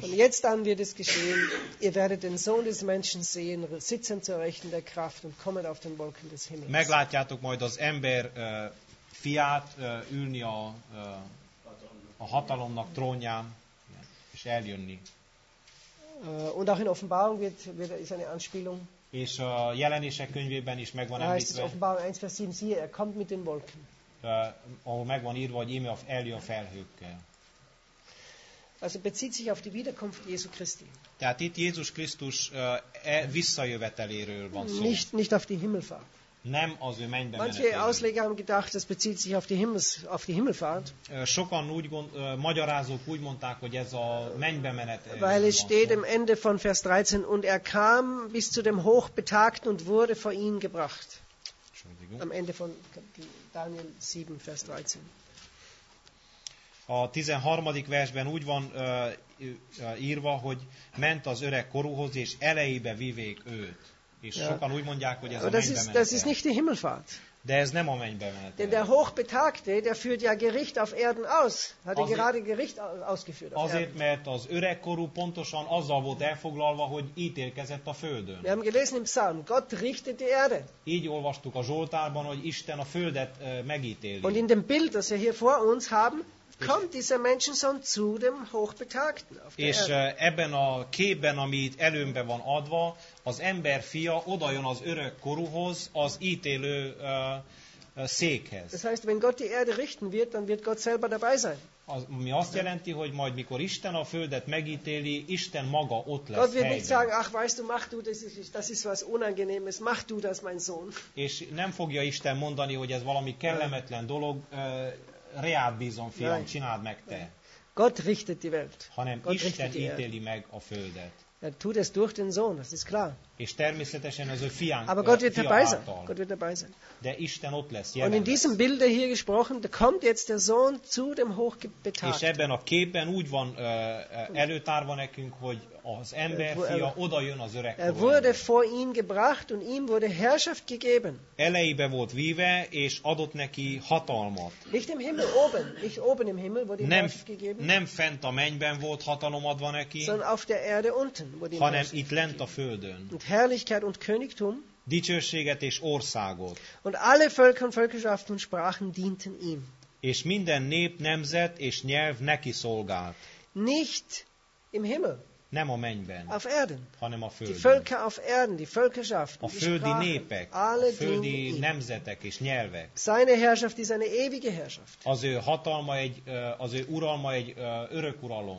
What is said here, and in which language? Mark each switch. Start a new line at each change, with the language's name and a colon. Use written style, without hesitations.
German: Von jetzt an wird es geschehen, ihr werdet den Sohn des Menschen sehen, sitzen zur Rechten der Kraft und kommen auf den Wolken des Himmels.
Hungarian: Meglátjátok majd az ember fiát ülni a hatalomnak trónján, és eljönni.
German: Und auch in Offenbarung wird ist eine Anspielung.
Hungarian: És a Jelenések könyvében is megvan említve.
German: Offenbarung 1, Vers 7, siehe, er kommt mit den Wolken.
Hungarian: Ahol megvan írva, hogy íme eljön felhőkkel.
German: Also bezieht sich auf die Wiederkunft Jesu Christi.
Hungarian: Tehát itt Jézus Krisztus visszajöveteléről van szó.
German: Nicht auf die Himmelfahrt.
Hungarian: Nem az ő mennybe menetelő.
German: Manche Ausleger haben gedacht, das bezieht sich auf die Himmelfahrt.
Hungarian: Sokan úgy magyarázók úgy mondták, hogy ez a mennybe menetelő.
German: Weil es steht im Ende von Vers 13, und er kam bis zu dem Hochbetagten und wurde vor ihn gebracht. Am Ende von Daniel 7, Vers 13.
Hungarian: A 13. versben úgy van írva, hogy ment az öreg korúhoz, és elejébe vivék őt. És sokan úgy mondják, hogy ez a mennybe menetel.
German: Das ist nicht die Himmelfahrt.
Hungarian: De ez nem a mennybe menetel.
German: Denn der Hochbetagte, der führt ja Gericht auf Erden aus. Hat er gerade Gericht ausgeführt.
Hungarian: Azért, mert az öreg korú pontosan azzal volt elfoglalva, hogy ítélkezett a földön.
German: Wir haben gelesen im Psalm, Gott richtet die Erde.
Hungarian: Így olvastuk a Zsoltárban, hogy Isten a földet megítéli.
German: Und in dem Bild, das wir hier vor uns haben, kommt dieser Menschensohn zu dem Hochbetagten auf der Erde.
Hungarian: És ebben a képben, amit előmbe van adva, az ember fia odajön az örök korúhoz, az ítélő székhez.
German: Das heißt, wenn Gott die Erde richten wird, dann wird Gott selber dabei sein.
Hungarian: Az, ami azt jelenti, hogy majd mikor Isten a földet megítéli, Isten maga ott lesz.
German: Gott wird nicht sagen, ach, weißt du, mach du das, das ist was unangenehmes, mach du das, mein Sohn.
Hungarian: És nem fogja Isten mondani, hogy ez valami kellemetlen dolog, reád bízom, fiam, csináld meg te.
German: Gott richtet die Welt.
Hungarian: Hanem Isten ítéli meg a földet.
German: Er tut es durch den Sohn, das ist klar.
Hungarian: És természetesen az ő fián,
German: aber Gott wird dabei sein. Gott wird dabei sein.
Hungarian: De Isten ott lesz, jelen.
German: Und in diesem Bilde hier gesprochen, da kommt jetzt der Sohn zu dem Hochbetagten.
Hungarian: És ebben a képben úgy van előtárva nekünk, hogy az ember fia oda jön az öreg.
German: Er wurde vor ihn gebracht und ihm wurde Herrschaft gegeben.
Hungarian: Elejébe volt víve, és adott neki hatalmat.
German: Nicht im Himmel oben, nicht oben im Himmel wurde ihm Herrschaft gegeben.
Hungarian: Nem fent a mennyben volt hatalom adva neki,
German: sondern auf der Erde unten wurde ihm
Hungarian: hanem itt lent a földön.
German: Und Herrlichkeit und Königtum.
Hungarian: Dicsőséget és országot.
German: Und alle Völker und Völkerschaften und Sprachen dienten ihm.
Hungarian: És minden nép, nemzet és nyelv neki szolgált.
German: Nicht im Himmel.
Hungarian: Nem a mennyben.
German: Auf Erden.
Hungarian: Hanem a földön.
German: Die Völker auf Erden, die Völkerschaften,
Hungarian: a földi népek,
German: alle
Hungarian: a földi nemzetek és nyelvek.
German: Seine Herrschaft ist eine ewige Herrschaft.
Hungarian: Az ő hatalma egy, az ő uralma egy örök uralom.